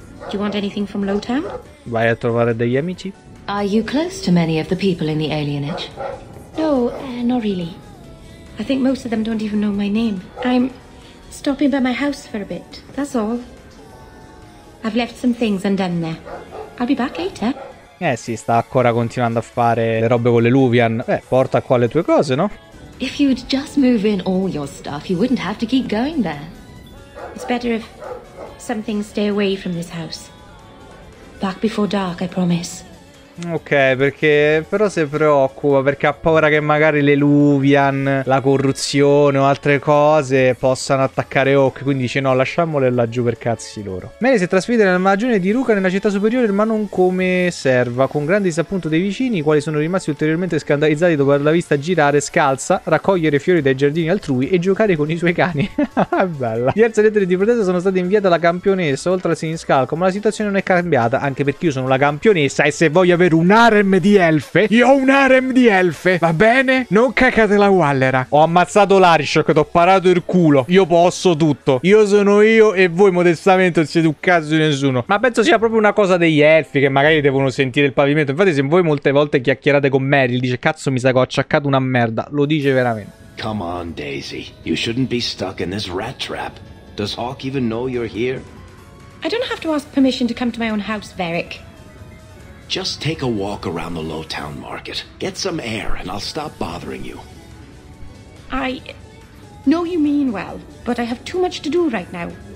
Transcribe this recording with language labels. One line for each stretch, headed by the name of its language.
English: Do you want anything from Lowtown?
Italian: Vai a trovare degli amici.
English: Are you close to many of the people in the alienage? No, not really. I think most of them don't even know my name. I'm stopping by my house for a bit, that's all. I've left some things undone there. I'll be back later.
Italian: Sì, sta ancora continuando a fare le robe con le Luvian. Porta qua le tue cose, no?
English: If you'd just move in all your stuff, you wouldn't have to keep going there. It's better if some things stay away from this house. Back before dark, I promise.
Italian: Ok, perché però si preoccupa, perché ha paura che magari le Luvian, la corruzione o altre cose possano attaccare Hawk, quindi dice no, lasciamole laggiù per cazzi loro. Mary si trasferisce nella magione di Ruka nella città superiore, ma non come serva, con grande disappunto dei vicini, i quali sono rimasti ulteriormente scandalizzati dopo averla vista girare scalza, raccogliere fiori dai giardini altrui e giocare con i suoi cani. Bella. Diverse lettere di protesta sono state inviate alla campionessa oltre al Siniscalco, ma la situazione non è cambiata, anche perché io sono la campionessa e se voglio avere un harem di elfe, io ho un harem di elfe, va bene? Non cacate la wallera. Ho ammazzato l'Arishok, t'ho parato il culo, io posso tutto, io sono io e voi modestamente non siete un cazzo di nessuno. Ma penso sia proprio una cosa degli elfi che magari devono sentire il pavimento. Infatti se voi molte volte chiacchierate con Meryl, dice cazzo mi sa che ho acciaccato una merda, lo dice veramente.
English: Come on Daisy, you shouldn't be stuck in this rat trap. Does Hawk even know you're here? I don't have to ask permission to come to my own house, Varric. Just take a walk around the Lowtown Market. Get some air and I'll stop bothering you. I know you mean well, but I have too much to do right now.